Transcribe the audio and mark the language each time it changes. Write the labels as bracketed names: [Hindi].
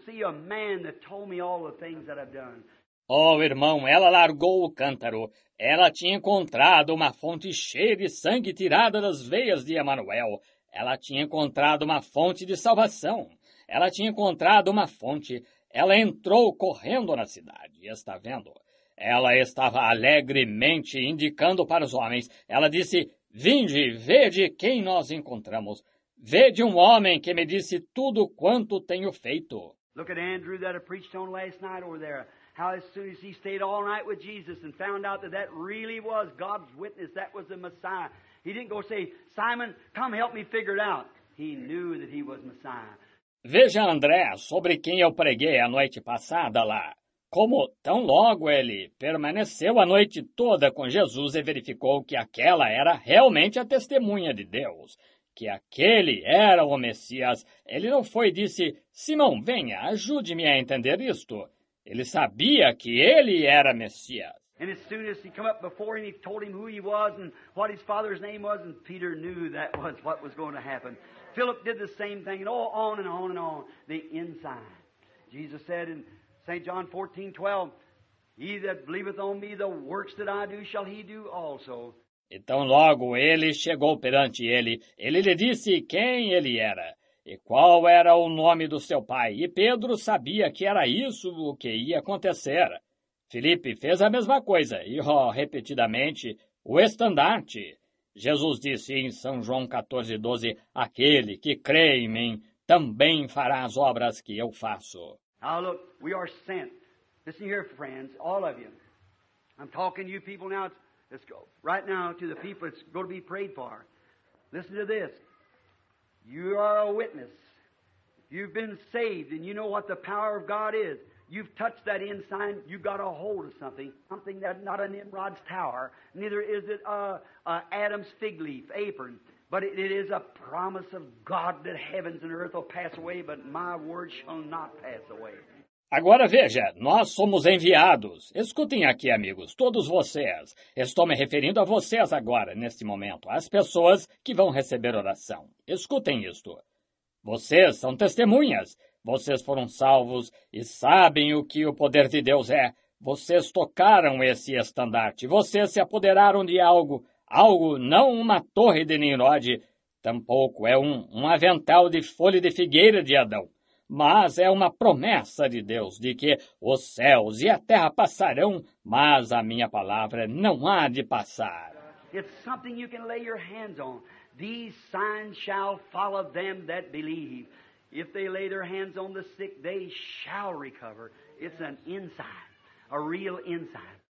[English] See a man that told me all the things that I've done." [Portuguese] Oh, irmão, ela largou o cântaro. Ela tinha encontrado uma fonte cheia de sangue tirada das veias de Emmanuel. Ela tinha encontrado uma fonte de salvação. Ela tinha encontrado uma fonte. Ela entrou correndo na cidade. Está vendo? Ela estava alegremente indicando para os homens. Ela disse, "Vinde, vede quem nós encontramos. Vede um homem que me disse tudo quanto tenho feito." [English] Look at Andrew that I preached on last night over there. How as soon as he stayed all night with Jesus and found out that that really was God's witness, that was the Messiah. He didn't go say, "Simon, come help me figure it out." He knew that he was Messiah. [Portuguese] Veja André, sobre quem eu preguei a noite passada lá. Como tão logo ele permaneceu a noite toda com Jesus e verificou que aquela era realmente a testemunha de Deus. Que aquele era o Messias. Ele não foi e disse, "Simão, venha, ajude-me a entender isto." Ele sabia que ele era Messias. [English] And as soon as he came up before him, he told him who he was and what his father's name was, and Peter knew that was what was going to happen. Philip did the same thing, and on and on and on, the inside. Jesus said in St. John 14:12, "He that believeth on me, the works that I do, shall he do also." [Portuguese] Então logo ele chegou perante ele. Ele lhe disse quem ele era. E qual era o nome do seu pai? E Pedro sabia que era isso o que ia acontecer. Filipe fez a mesma coisa. E, ó, repetidamente, o estandarte. Jesus disse em São João 14:12, "Aquele que crê em mim também fará as obras que eu faço." [English] Now look, we are sent. Listen here, friends, all of you. I'm talking to you people now. Let's go. Right now to the people that's going to be prayed for. Listen to this. You are a witness. You've been saved, and you know what the power of God is. You've touched that end sign. You got a hold of something. Something that's not a Nimrod's tower. Neither is it a Adam's fig leaf apron. But it is a promise of God that heavens and earth will pass away, but my word shall not pass away. [Portuguese] Agora veja, nós somos enviados. Escutem aqui, amigos, todos vocês. Estou me referindo a vocês agora, neste momento, às pessoas que vão receber oração. Escutem isto. Vocês são testemunhas. Vocês foram salvos e sabem o que o poder de Deus é. Vocês tocaram esse estandarte. Vocês se apoderaram de algo. Algo não uma torre de Nimrod, tampouco é um avental de folha de figueira de Adão. Mas é uma promessa de Deus de que os céus e a terra passarão, mas a minha palavra não há de passar. [English] It's something you can lay your hands on. These signs shall follow them that believe. If they lay their hands on the sick, they shall recover. It's an inside, a real inside.